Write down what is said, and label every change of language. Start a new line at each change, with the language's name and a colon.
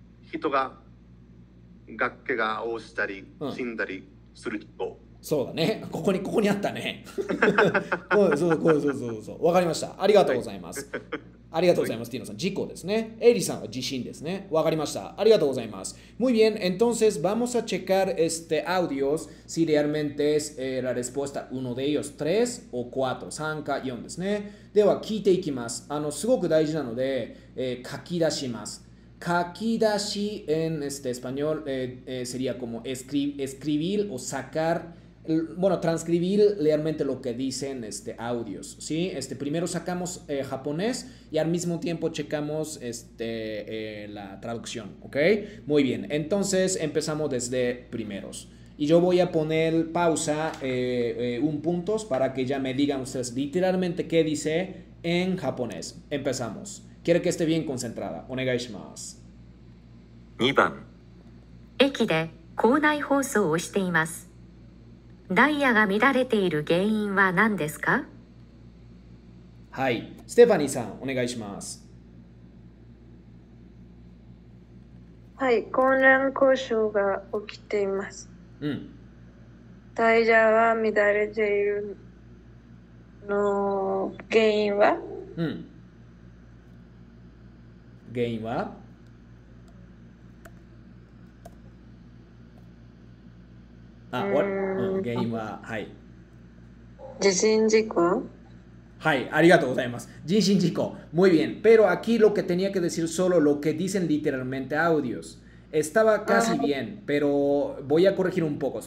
Japanese: 人が崖が落ちたり、うん、死んだりする事故。そうだね、ここにあったね。そう、わかりました。ありがとうございます。はい、ありがとうございます、はい、ティーノさん。事故ですね。エリさんは地震ですね。わかりました。ありがとうございます。
Spanish: Muy bien, entonces vamos a checar este audio si realmente es、la respuesta uno de ellos, tres o cuatro,
Japanese: 三か四ですね。では聞いていきます。すごく大事なので、書き出します。
Spanish: 書き出し en este español、sería como escribir o sacar, bueno, transcribir realmente lo que dicen este audios, ¿sí? Primero sacamos japonés y al mismo tiempo checamos la traducción, ¿ok? Muy bien, entonces empezamos desde primeros. Y yo voy a poner pausa un punto para que ya me digan ustedes literalmente qué dice en japonés. Empezamos. Quiero que esté bien concentrada.
Japanese: Onegai shimasu. 2番駅で校内放送をしています。ダイヤが乱れている原因は何ですか？はい、ステファニーさん、お願いします。はい、混乱交渉が起きています。うん、ダイヤは乱れているの原因は、うん、原因は、原因は、はい、地震事故。 Hi, arigato gozaimasu. Jinshin jiko.
Spanish: Muy bien, pero aquí lo que tenía que decir solo lo que dicen literalmente audios. Estaba casi bien, pero voy a corregir un poco.